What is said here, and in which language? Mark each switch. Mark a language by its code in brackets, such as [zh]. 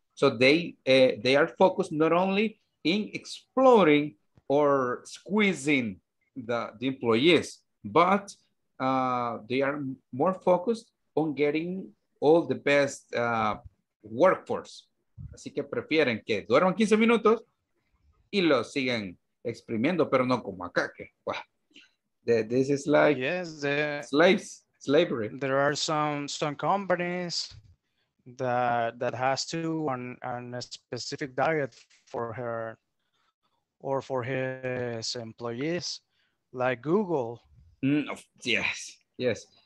[en] So they are focused not only in exploring or squeezing the employees, but they are more focused on getting all the best workforce. [es] Así que prefieren que duerman 15 minutos y lo siguen exprimiendo, pero no como acá, que, wow. [en] This is like slavery. There are some companies that has to on a specific diet for her or for his employees, like Google. Yes.